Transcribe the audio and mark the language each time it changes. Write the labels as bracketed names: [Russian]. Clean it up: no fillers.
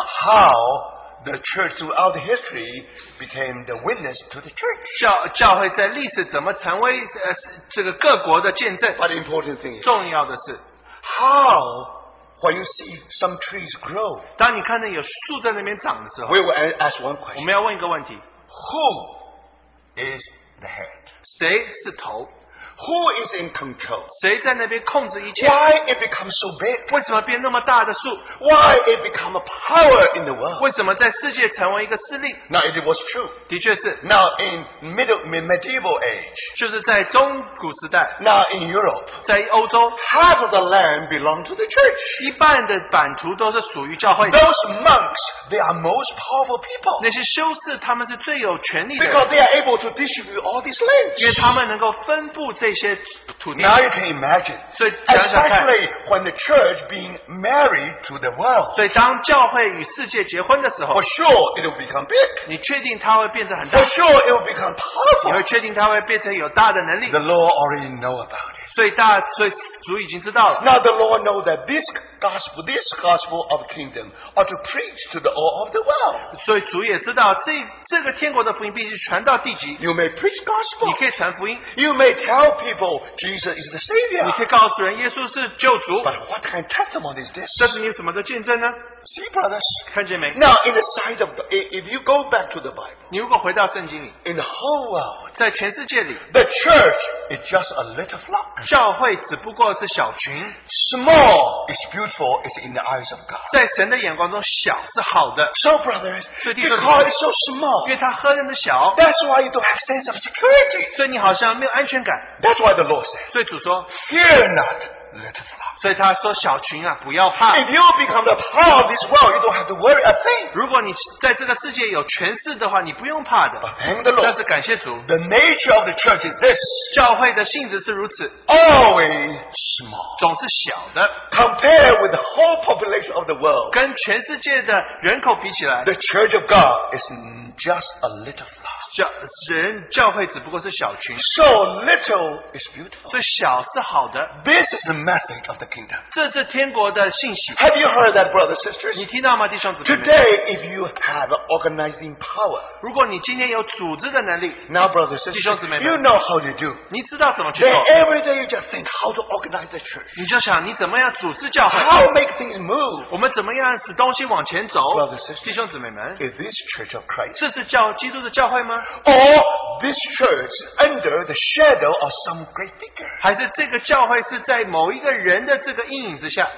[English] how the church throughout history became the witness to the church. [Chinese] 教会在历史怎么成为这个各国的见证。 [English] But the important thing is, [Chinese] 重要的是, [English] how when you see some trees grow, [Chinese] 当你看到有树在那边长的时候, [English] we will ask one question. [Chinese] 我们要问一个问题。 [English] Who is the head? [Chinese] 谁是头? [English] Who is in control? [Chinese] 谁在那边控制一切? [English] Why it becomes so big? [Chinese] 为什么变那么大的树? [English] Why it become a power in the world? [Chinese] 为什么在世界成为一个势力? [English] Now it was true. [Chinese] 的确是, [English] now in medieval age. [Chinese] 就是在中古时代, [English] now in Europe. [Chinese] 在欧洲, [English] half of the land belonged to the church. [Chinese] 一半的版图都是属于教会的, [English] those monks, they are most powerful people. [Chinese] 那些修士, [English] because they are able to distribute all these lands. [Chinese] 因为他们能够分布, [English] now you can imagine, [Chinese] 所以想想看, [English] especially when the church being married to the world. [Chinese] 所以当教会与世界结婚的时候, [English] for sure it will become big. [Chinese] 你确定它会变成很大? [English] For sure it will become powerful. [Chinese] 你会确定它会变成有大的能力? [English] The Lord already know about it. [Chinese] 所以主已经知道了。 [English] Now the Lord know that this gospel of kingdom ought to preach to the all of the world. [Chinese] 所以主也知道这个天国的福音必须传到地极。 [English] You may preach gospel. [Chinese] 你可以传福音。 [English] You may tell people Jesus is the Savior. [Chinese] 你可以告诉人耶稣是救主。 [English] But what kind of testimony is this? [Chinese] 这是你什么的见证呢? [English] See, brothers, [Chinese] 看见没? [English] Now in the sight of the, if you go back to the Bible, [Chinese] 你如果回到圣经里, [English] in the whole world, [Chinese] 在全世界里, [English] the church is just a little flock. [Chinese] 教会只不过是小群, [English] small is beautiful, is in the eyes of God. [Chinese] 在神的眼光中, 小是好的, [English] so brothers, [Chinese] 所以弟兄姊妹, [English] because it's so small, [Chinese] 因为它何等的小, [English] that's why you don't have sense of security. [Chinese] 所以你好像没有安全感, [English] that's why the Lord says, [Chinese] 所以主说, [English] fear not, little flock. [Chinese] 所以他说小群啊, 不要怕, [English] if you become the power of this world, you don't have to worry a thing. [Chinese] 如果你在这个世界有权势的话, 你不用怕的, [English] but thank the Lord. [Chinese] 但是感谢主, [English] the nature of the church is this. [Chinese] 教会的性质是如此, [English] always small. [Chinese] 总是小的, [English] compared with the whole population of the world. [Chinese] 跟全世界的人口比起来, [English] the church of God is just a little flower. [Chinese] 教会只不过是小群, [English] so little is beautiful. [Chinese] 所以小是好的, [English] this is the message of the kingdom. [Chinese] 这是天国的信息。 [English] Have you heard that, brothers and sisters? [Chinese] 你听到吗, 弟兄姊妹? [English] Today, if you have organizing power, [Chinese] 如果你今天有组织的能力, [English] now, brothers and sisters, [Chinese] 弟兄姊妹, [English] you know how to do. [Chinese] 你知道怎么去做, [English] then every day you just think how to organize the church. [Chinese] 你就想你怎么样组织教会, [English] how to make things move. [Chinese] 我们怎么样使东西往前走, [English] brothers and sisters, [Chinese] 弟兄姊妹们, [English] is this church of Christ? [Chinese] 这是基督的教会吗? [English] Or this church under the shadow of some great figure. [Chinese] 还是这个教会是在某一个人的这个阴影之下?